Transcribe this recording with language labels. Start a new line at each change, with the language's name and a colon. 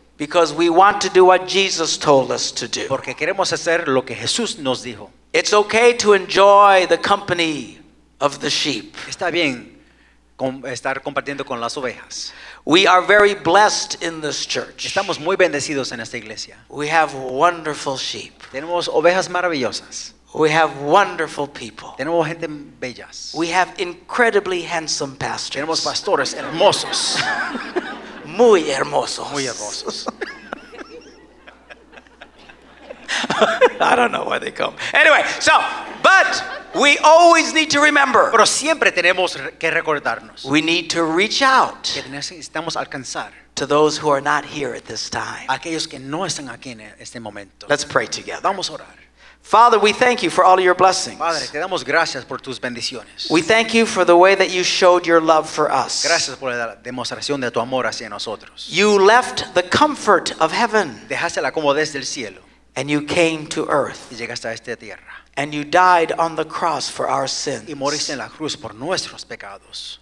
English: Because we want to do what Jesus told us to do.
Spanish: Porque queremos hacer lo que Jesús nos dijo.
English: It's okay to enjoy the company of the sheep.
Spanish: Está bien estar compartiendo con las ovejas.
English: We are very blessed in this church.
Spanish: Estamos muy bendecidos en esta iglesia.
English: We have wonderful sheep.
Spanish: Tenemos ovejas maravillosas.
English: We have wonderful people.
Spanish: Tenemos gente bellas.
English: We have incredibly handsome pastors.
Spanish: Tenemos pastores hermosos. Muy hermosos. Muy hermosos.
English: I don't know why they come. Anyway, so, but we always need to remember.
Spanish: Pero siempre tenemos que recordarnos.
English: We need to reach out.
Spanish: Que necesitamos alcanzar.
English: To those who are not here at this time.
Spanish: Aquellos que no están aquí en este momento.
English: Let's pray together.
Spanish: Vamos a orar.
English: Father, we thank you for all your blessings.
Spanish: Padre, te damos gracias por tus bendiciones.
English: We thank you for the way that you showed your love for us.
Spanish: Gracias por la demostración de tu amor hacia nosotros.
English: You left the comfort of heaven.
Spanish: Dejaste la comodidad del cielo.
English: And you came to earth.
Spanish: Y llegaste a esta tierra.
English: And you died on the cross for our sins.
Spanish: Y moriste en la cruz por nuestros pecados.